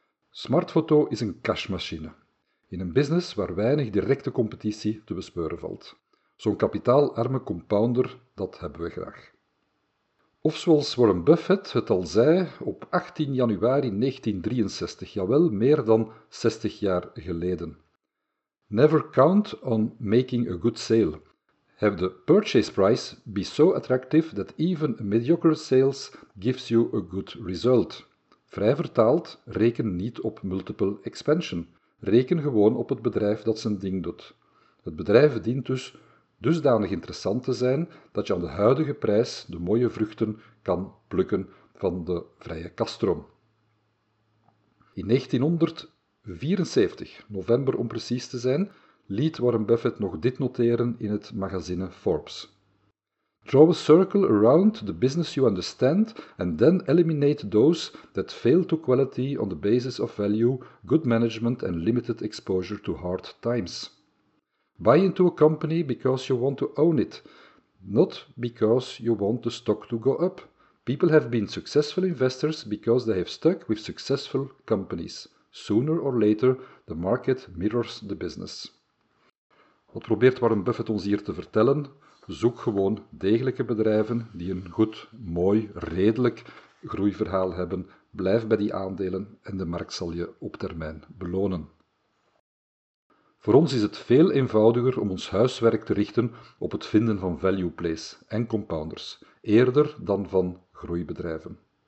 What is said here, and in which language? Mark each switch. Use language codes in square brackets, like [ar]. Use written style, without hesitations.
[nl] Smartfoto is een cashmachine, in een business waar weinig directe competitie te bespeuren valt. Zo'n kapitaalarme compounder, dat hebben we graag. Of zoals Warren Buffett het al zei op 18 januari 1963, jawel, meer dan 60 jaar geleden. [en] Never count on making a good sale. Have the purchase price be so attractive that even a mediocre sales gives you a good result. [nl] Vrij vertaald, reken niet op multiple expansion. Reken gewoon op het bedrijf dat zijn ding doet. Het bedrijf dient dus dusdanig interessant te zijn dat je aan de huidige prijs de mooie vruchten kan plukken van de vrije kasstroom. In 1974, november om precies te zijn, liet Warren Buffett nog dit noteren in het magazine Forbes. [en] Draw a circle around the business you understand and then eliminate those that fail to quality on the basis of value, good management and limited exposure to hard times. Buy into a company because you want to own it, not because you want the stock to go up. People have been successful investors because they have stuck with successful companies. Sooner or later, the market mirrors the business. [nl] Wat probeert Warren Buffett ons hier te vertellen? Zoek gewoon degelijke bedrijven die een goed, mooi, redelijk groeiverhaal hebben. Blijf bij die aandelen en de markt zal je op termijn belonen. Voor ons is het veel eenvoudiger om ons huiswerk te richten op het vinden van value plays en compounders, eerder dan van groeibedrijven.